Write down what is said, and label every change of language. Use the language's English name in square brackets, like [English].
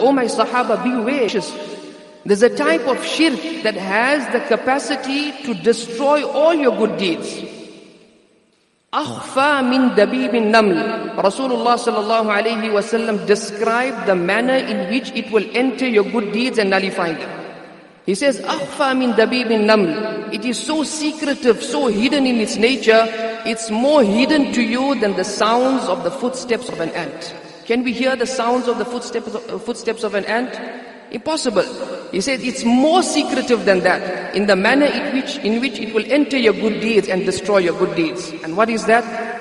[English] Oh my Sahaba, be wary. There's a type of shirk that has the capacity to destroy all your good deeds. [Arabic] أَخْفَى مِنْ دَبِيبِ النَّمْلِ. [English] Rasulullah sallallahu alayhi wa sallam described the manner in which it will enter your good deeds and nullify them. He says, [Arabic] أَخْفَى مِنْ دَبِيبِ النَّمْلِ. [English] It is so secretive, so hidden in its nature, it's more hidden to you than the sounds of the footsteps of an ant. Can we hear the sounds of the footsteps of an ant? Impossible. He says, it's more secretive than that, in the manner in which it will enter your good deeds and destroy your good deeds. And what is that?